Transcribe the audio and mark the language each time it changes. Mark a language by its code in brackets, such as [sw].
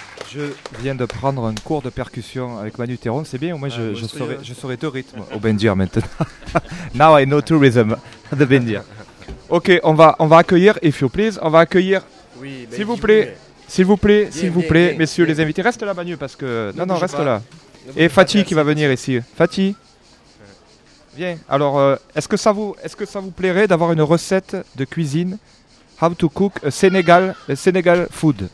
[fr] Je viens de prendre un cours de percussion avec Manu Théron, c'est bien, au moins je saurais deux rythmes au Bendir maintenant. [en] Now I know two rhythms at the Bendir. [fr] Ok, on va accueillir, [en] if you please, [fr] on va accueillir, oui, ben s'il vous plaît, s'il vous plaît, bien, s'il vous plaît, bien, messieurs bien. Les invités, reste là Manu, parce que, ne non, reste pas. Là, ne et Fatih qui va venir ici, Fatih, viens, alors, est-ce que ça vous plairait d'avoir une recette de cuisine, [en] how to cook a Senegal food?